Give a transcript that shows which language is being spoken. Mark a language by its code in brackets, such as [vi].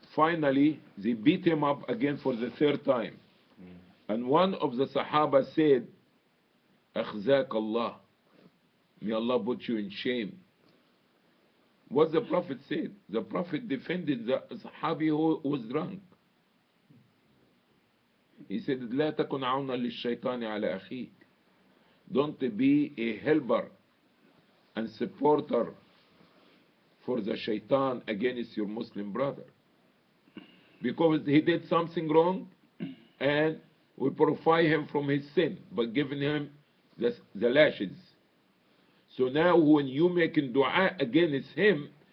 [en] Finally, they beat him up again for the third time. Mm. [ar] And one of the Sahaba said, أخزاك الله. [en] May Allah put you in shame. What the Prophet said? The Prophet defended the Sahabi who was drunk. He said, [ar] لا تكن عونا للشيطان على أخيك. [en] Don't be a helper and supporter for the shaitan against your Muslim brother. Because he did something wrong, and we purify him from his sin by giving him the lashes. So now when you making dua against him,